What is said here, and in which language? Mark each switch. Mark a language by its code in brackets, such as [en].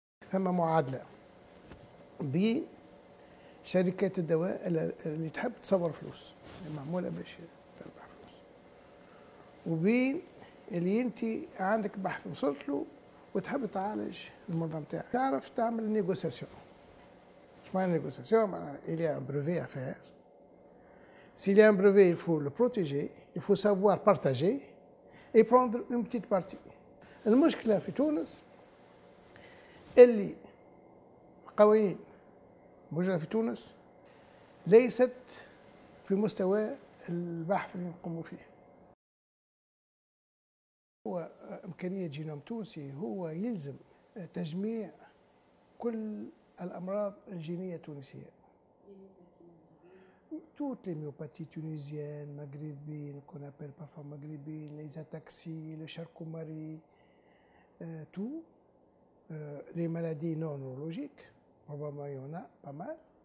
[ar] ثم معادله بين شركات الدواء اللي تحب تصور فلوس اللي معموله باش تربح فلوس، وبين اللي انت عندك بحث وصلت له وتحب تعالج المرضى نتاعك. تعرف تعمل نيغوسياسيون. شمعنى نيغوسياسيون؟ معناها [fr] إلي أن بروفي أفير. S'il y a un brevet, il faut le protéger, il faut savoir partager et prendre une petite partie. Le problème en Tunis, elle est [ar] موجودة في تونس ليست في مستوى البحث اللي نقوموا فيه. هو إمكانية جينوم تونسي، هو يلزم تجميع كل الأمراض الجينية التونسية. [fr] Toutes les myopathies tunisiennes, maghrébines, qu'on appelle parfois maghrébines, les ataxies, le charcot-marie, tout. Les maladies non neurologiques, probablement il y en a pas mal.